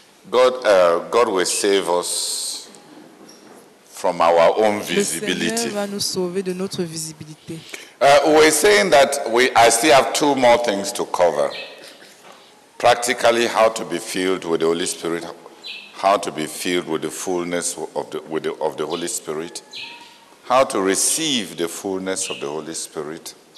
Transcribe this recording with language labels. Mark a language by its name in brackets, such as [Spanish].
[English] God will save us from our own visibility. [French] Le Seigneur va nous sauver de notre visibilité. [English] We're saying that I still have 2 more things to cover. Practically, how to be filled with the Holy Spirit, how to be filled with the fullness of the Holy Spirit, how to receive the fullness of the Holy Spirit.